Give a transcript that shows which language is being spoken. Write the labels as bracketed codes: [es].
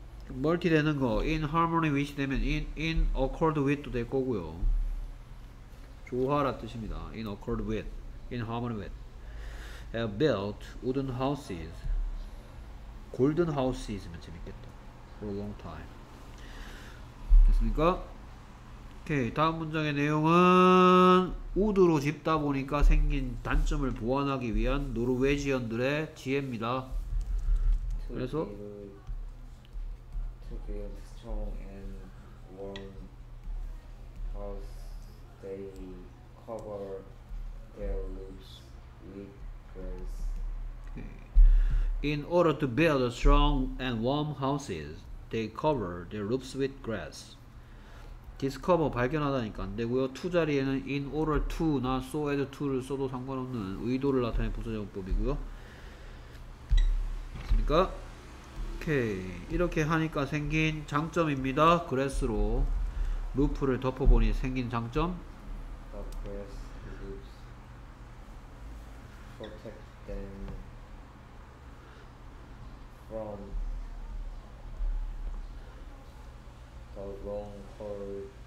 [ko] Multi 되는 거, in harmony with 되면 in accord with 될 거고요. 조화라 뜻입니다. [en] In accord with, in harmony with, have built wooden houses, golden houses면 재밌겠다. For a long time. 됐습니까? [ko] 오케이, 다음 문장의 내용은 우드로 짚다 보니까 생긴 단점을 보완하기 위한 노르웨지언들의 지혜입니다. 그래서 [en] To build strong and warm house, they cover their roofs with grass. In order to build strong and warm houses, they cover their roofs with grass. [ko] discover 발견하다니까 안 되고요. 투 자리에는 in order to나 so as to를 써도 상관없는 의도를 나타내는 부사적용법이고요. 됐습니까? 오케이. 이렇게 하니까 생긴 장점입니다. 그래스로 루프를 덮어 보니 생긴 장점. [en] The grass roofs protect them from the long cold